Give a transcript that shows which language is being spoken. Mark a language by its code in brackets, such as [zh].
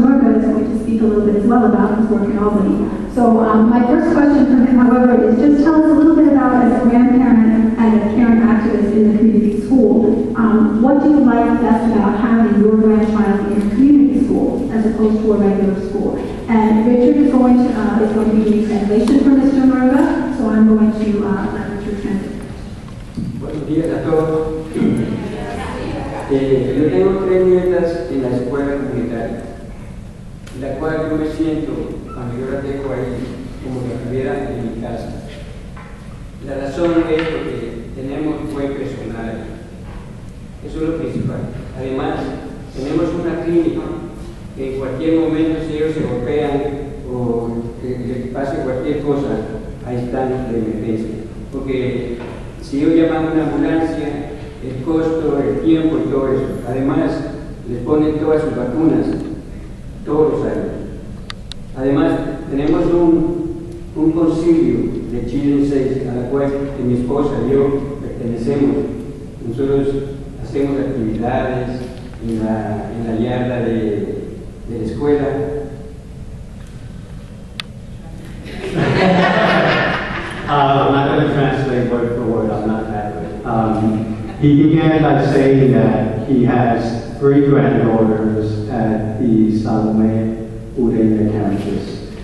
[en] Murga, is going to speak a little bit as well about his work in Albany. So my first question for him, however, is just tell us a little bit about, as a grandparent and a parent activist in the community school, what do you like best about having your grandchild in a community school as opposed to a regular school? And Richard is going to be doing translation for Mr. Murga, so I'm going to let Richard translate. [es] Yo tengo tres nietas en la escuela comunitaria, en la cual yo me siento, cuando yo las dejo ahí, como si estuviera en mi casa. La razón es porque tenemos buen personal. Eso es lo principal. Además, tenemos una clínica que en cualquier momento, si ellos se golpean o que pase cualquier cosa, ahí están de emergencia. Porque si yo llamo a una ambulancia, el costo, el tiempo y todo eso. Además, les ponen todas sus vacunas, todos los años. Además, tenemos un concilio de Children's Aid, a la cual que mi esposa y yo pertenecemos. Nosotros hacemos actividades en la yarda de la escuela. [en] I'm not going to translate word for word, I'm not that good. He began by saying that he has three granddaughters at the Salome Urena campus.